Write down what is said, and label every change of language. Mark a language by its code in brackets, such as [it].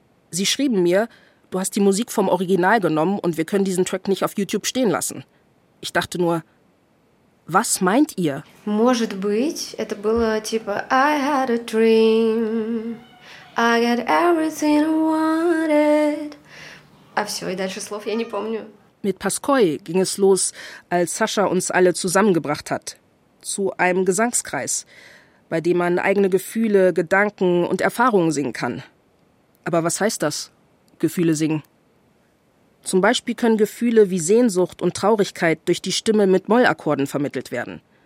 [de] Sie schrieben mir, du hast die Musik vom Original genommen und wir können diesen Track nicht auf YouTube stehen lassen. Ich dachte nur, was meint ihr? [ru] Может быть, это было типа [en] I had a dream, I got everything I wanted. [ru] А все, и дальше слов я не помню. [de] Mit Pascoy ging es los, als Sascha uns alle zusammengebracht hat. Zu einem Gesangskreis, bei dem man eigene Gefühle, Gedanken und Erfahrungen singen kann. Aber was heißt das, Gefühle singen? Zum Beispiel können Gefühle wie Sehnsucht und Traurigkeit durch die Stimme mit Mollakkorden vermittelt werden.